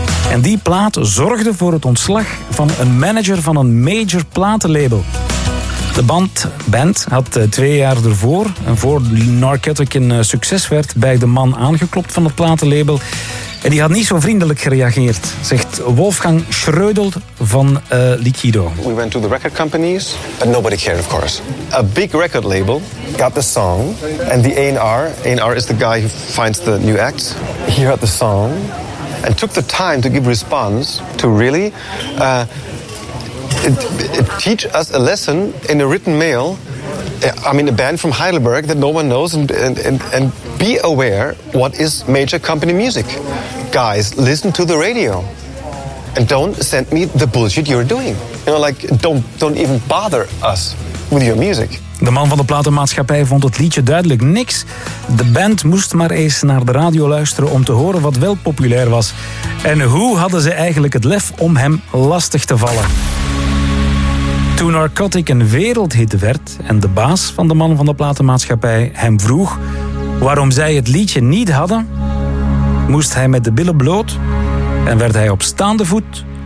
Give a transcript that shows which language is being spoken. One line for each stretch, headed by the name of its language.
Dutch: En die plaat zorgde voor het ontslag van een manager van een major platenlabel. De band had 2 jaar ervoor, en voor Narcotic een succes werd, bij de man aangeklopt van het platenlabel. En die had niet zo vriendelijk gereageerd, zegt Wolfgang Schreudel van Liquido.
English: We went to the record companies, but nobody cared, of course. A big record label got the song, and the A&R, A&R is the guy who finds the new act, he heard the song, and took the time to give response to really teach us a lesson in a written mail. I mean, a band from Heidelberg that no one knows, and be aware what is major company music. Guys, listen to the radio and don't send me the bullshit you're doing. You know, like, don't even bother us with your music.
Dutch: De man van de platenmaatschappij vond het liedje duidelijk niks. De band moest maar eens naar de radio luisteren om te horen wat wel populair was. En hoe hadden ze eigenlijk het lef om hem lastig te vallen? Toen Narcotic een wereldhit werd en de baas van de man van de platenmaatschappij hem vroeg waarom zij het liedje niet hadden, moest hij met de billen bloot en werd hij op staande voet